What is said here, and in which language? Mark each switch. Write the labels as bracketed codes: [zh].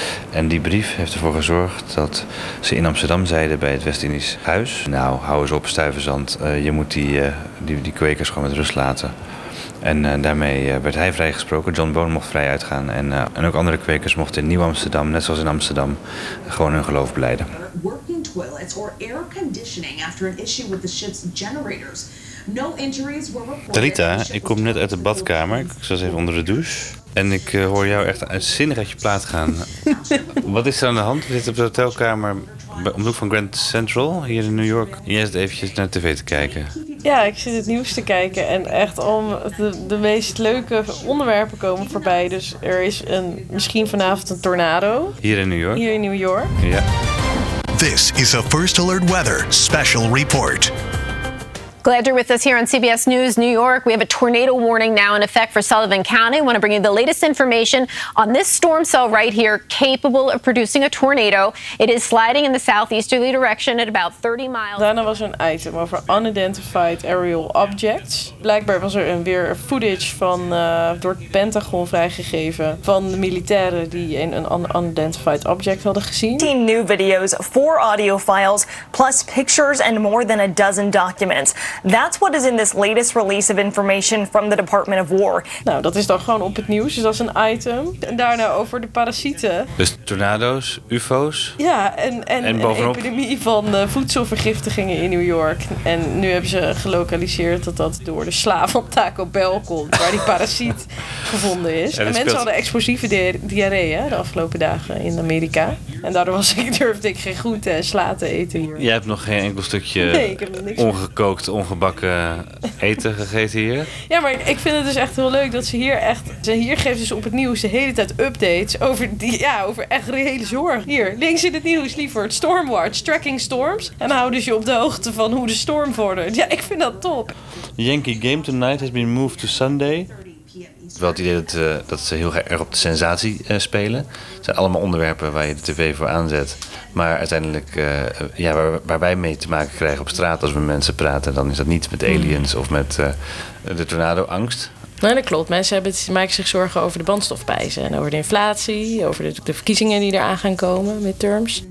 [nl] En die brief heeft ervoor gezorgd dat ze in Amsterdam zeiden bij het West-Indisch Huis: nou, hou eens op, Stuyvesant, je moet die Quakers gewoon met rust laten. En daarmee werd hij vrijgesproken. John Bone mocht vrij uitgaan. En ook andere Quakers mochten in Nieuw-Amsterdam, net zoals in Amsterdam, gewoon hun geloof beleiden. [en] Working toilets or air conditioning after an issue with the ship's generators. No injuries were reported. [nl] Talita, ik kom net uit de badkamer. Ik zat even onder de douche. En ik hoor jou echt uitzinnig uit je plaat gaan. Wat is er aan de hand? We zitten op de hotelkamer om de hoek van Grand Central hier in New York. En jij zit eventjes naar tv te kijken. Ja, ik zit het nieuws te kijken. En echt om de meest leuke onderwerpen komen voorbij. Dus er is misschien vanavond een tornado. Hier in New York? Hier in New York. Ja. [en] This is a First Alert Weather Special Report. Glad you're with us here on CBS News New York. We have a tornado warning now in effect for Sullivan County. I want to bring you the latest information on this storm cell right here, capable of producing a tornado. It is sliding in the southeasterly direction at about 30 miles. [nl] Daarna was er een item over [en] unidentified aerial objects. [nl] Blijkbaar was er weer footage van door het Pentagon vrijgegeven van de militairen die een unidentified object hadden gezien. [en] 15 new videos, 4 audio files, plus pictures and more than a dozen documents. That's what is in this latest release of information from the Department of War. [nl] Nou, dat is dan gewoon op het nieuws, dus dat is een item. En daarna over de parasieten. Dus tornado's, UFO's. Ja, en bovenop een epidemie van voedselvergiftigingen in New York. En nu hebben ze gelokaliseerd dat dat door de slaaf van Taco Bell komt, waar die parasiet gevonden is. En mensen hadden explosieve diarree de afgelopen dagen in Amerika. En daardoor durfde ik geen groente en sla te eten hier. Jij hebt nog geen enkel stukje ongekookt, ongebakken eten gegeten hier. Ja, maar ik vind het dus echt heel leuk dat ze hier echt... Hier geven ze op het nieuws de hele tijd updates over over echt reële zorg. Hier, links in het nieuws, lieverd. [en] Stormwatch, tracking storms. [nl] En houden ze je op de hoogte van hoe de storm vordert. Ja, ik vind dat top. [en] Yankee Game Tonight has been moved to Sunday. [nl] Wel het idee dat ze heel erg op de sensatie spelen. Het zijn allemaal onderwerpen waar je de tv voor aanzet. Maar uiteindelijk, waar wij mee te maken krijgen op straat als we met mensen praten, dan is dat niet met aliens of met de tornado-angst. Nee, dat klopt. Mensen maken zich zorgen over de brandstofprijzen en over de inflatie, over de verkiezingen die eraan gaan komen, midterms.